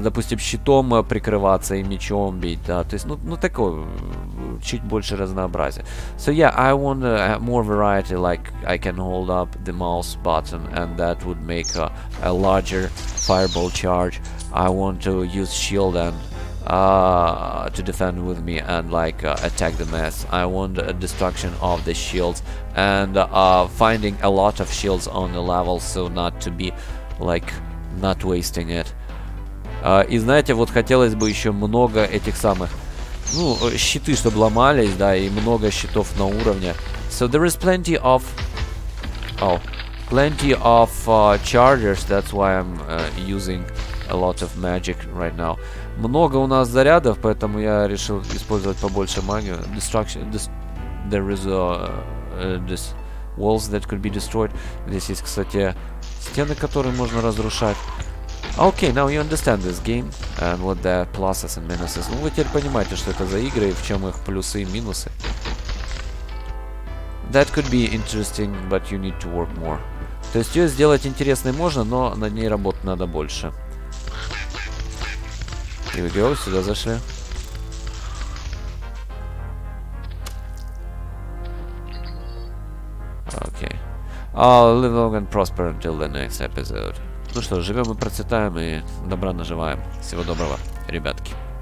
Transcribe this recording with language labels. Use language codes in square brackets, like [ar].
[ru] Допустим, щитом прикрываться и мечом бить, да? То есть, ну такое, чуть больше разнообразия. [en] So yeah, I want more variety, like I can hold up the mouse button, and that would make a larger fireball charge. I want to use shield and to defend with me and like attack the mess. I want a destruction of the shields and finding a lot of shields on the level, so not to be like not wasting it. [ru] И знаете, вот хотелось бы еще много этих самых, ну, щиты, чтобы ломались, да, и много щитов на уровне. [en] So there is plenty of chargers. That's why I'm using a lot of magic right now. [ru] Много у нас зарядов, поэтому я решил использовать побольше магию. [en] Destruction. There is this walls that could be destroyed. [ru] Здесь есть, кстати, стены, которые можно разрушать. [en] Okay, now you understand this game and what the pluses and minuses. [ru] Ну, вы теперь понимаете, что это за игры и в чем их плюсы и минусы. [en] That could be interesting, but you need to work more. [ru] То есть ее сделать интересной можно, но над ней работать надо больше. [en] Here we go, [ru] сюда зашли. [en] Okay. I'll live long and prosper until the next episode. [ru] Ну что, живем и процветаем, и добра наживаем. Всего доброго, ребятки.